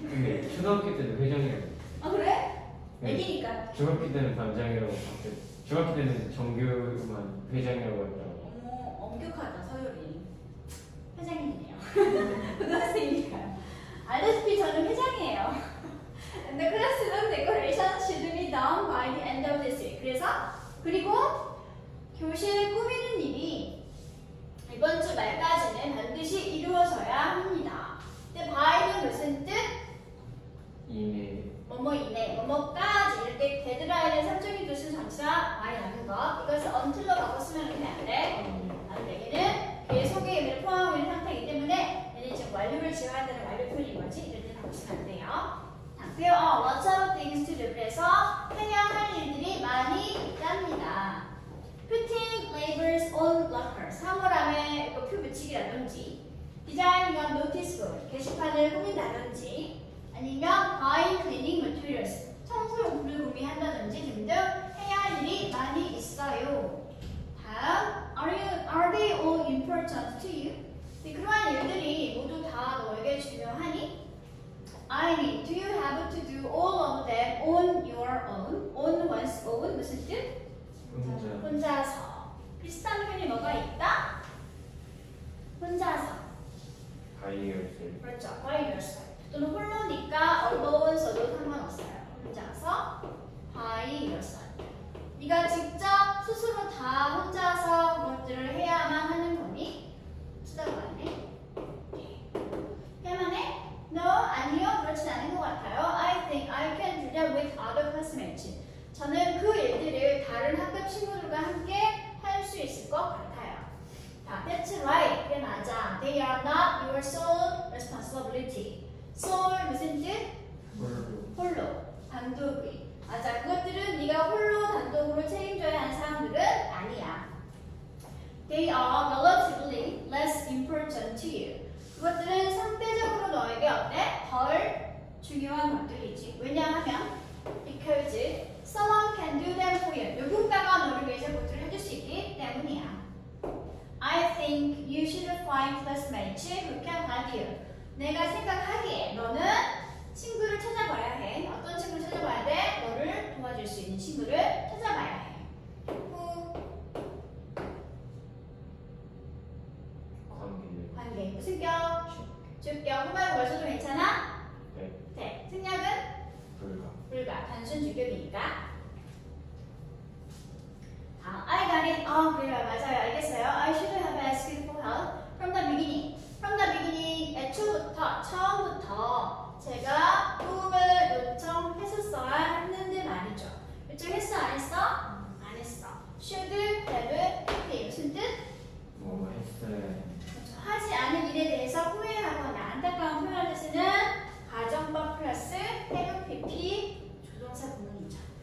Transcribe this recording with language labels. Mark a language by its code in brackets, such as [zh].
[ko] 근데 중학교 때는 회장이라고. 아 그래? 애기니까. 중학교 때는 반장이라고 학교 중학교 때는 정규만 회장이라고 했다고. 어머 엄격하다 서율이. 회장이네요. 고등학생이니까. 알다시피 저는 회장이에요. [en] The classroom decoration should be done by the end of this week. [ko] 그래서 그리고 교실 꾸미는 일이 이번 주 말까지는 반드시 이루어져야 합니다. 근데 by는 무슨 뜻? 이내. 뭐뭐 이내, 뭐뭐까지 이렇게 데드라인을 설정해 두신 장치가 by 라는 것. 이것을 until로 바꿨으면 안 돼. 안 돼. 라는 얘기는 계속의 의미를 포함하고 있는 상태이기 때문에 얘는 지금 완료를 지어야 되는 완료표현인 거지. 이럴 때는 바꾸시면 안 돼요. [en] There are lots of things to do. [ko] 그래서 해야 할 일들이 많이 있답니다. [en] Putting labels on lockers. 상호람에 이거 표 붙이기라든지 Design your notice board. [ko] 게시판을 꾸민다든지 아니면 buying cleaning materials. 청소용품을 구매한다든지 등등 해야 할 일이 많이 있어요. [en] 다음 Are they all important to you? [ko] 네, 그러한 일들이 모두 다 너에게 중요하니? [en] I mean, do you have to do all of them on your own? On one's own? 무슨 뜻? [ko] 혼자서. 비슷한 표현이 뭐가 있다? 혼자서. [en] By yourself. [ko] 그렇죠. By yourself. 또는 홀로니까 alone서도 상관없어요. 혼자서. By yourself. 네가 직접 스스로 다 혼자서 그것들을 해야만 하는 거니? 쓰다가 왔네. 해만 해? No, 아니요. 그렇진 않은 것 같아요. [en] I think I can do that with other classmates. [ko] 저는 그 일들을 다른 학급 친구들과 함께 할 수 있을 것 같아요. [en] 자, that's right. 그게 맞아. They are not your sole responsibility. Sole 무슨 뜻? 홀로. 단독이. 맞아. [ko] 그것들은 네가 홀로 단독으로 책임져야 하는 사람들은 아니야. [en] They are relatively less important to you. [ko] 그것들은 상대적으로 너에게 어때? 덜 중요한 것들이지. [en] 왜냐하면 because someone can do them for you. [ko] 누군가가 너를 위해서 그것들을 해줄 수 있기 때문이야. [en] I think you should find classmates who can help you. [ko] 내가 생각하기에 너는 친구를 찾아봐야 해. 어떤 친구를 찾아봐야 돼? 너를 도와줄 수 있는 친구를 찾아봐야 해. [en] Who? [ko] 관계. 승격? 주격. 후반에 벌써도 괜찮아? 네. 네. 승격은? 불가. 불가. 단순 주격이니까. 다음. I got it. 아, 그래요. 맞아요. 알겠어요. [en] I should have asked for help from the beginning. From the beginning. [ko] 애초부터, 처음부터 제가 도움을 요청했었어야 했는데 말이죠. 요청했어? 안 했어? 안 했어. Should have been. 네. 무슨 뜻? 뭐 했어요. 하지 않은 일에 대해서 후회하거나 안타까운 표현을 쓰는 가정법 플러스 have pp 조동사 부분이죠.